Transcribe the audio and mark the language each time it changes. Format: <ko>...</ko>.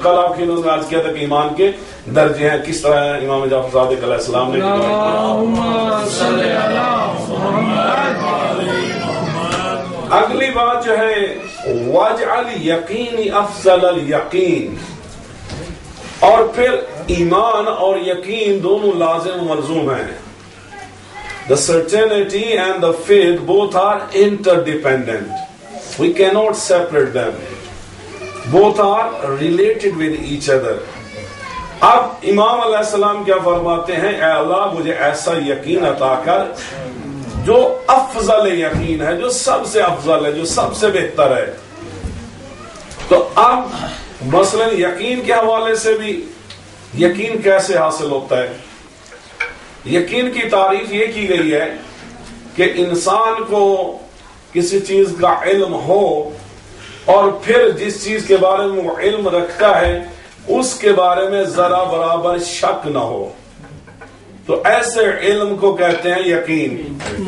<ur>کل آپ کی نے عرض کیا تھا کہ ایمان کے درجے ہیں، کس طرح ہیں؟ امام جعفر صادق علیہ السلام نے اگلی بات جو ہے</ur> <ar>واجعل یقینی افضل الیقین،</ar> <ur>اور پھر ایمان اور یقین دونوں لازم ملزوم ہیں.</ur> <en>The certainty and the faith both are interdependent. We cannot separate them. Both are related with each other.</en> <ur>اب امام علیہ السلام کیا فرماتے ہیں؟ اے اللہ مجھے ایسا یقین عطا کر جو افضل یقین ہے، جو سب سے افضل ہے، جو سب سے بہتر ہے. تو اب مثلا یقین کے حوالے سے بھی یقین کیسے حاصل ہوتا ہے؟ یقین کی تعریف یہ کی گئی ہے کہ انسان کو کسی چیز کا علم ہو اور پھر جس چیز کے بارے میں وہ علم رکھتا ہے اس کے بارے میں ذرا برابر شک نہ ہو، تو ایسے علم کو کہتے ہیں یقین.</ur>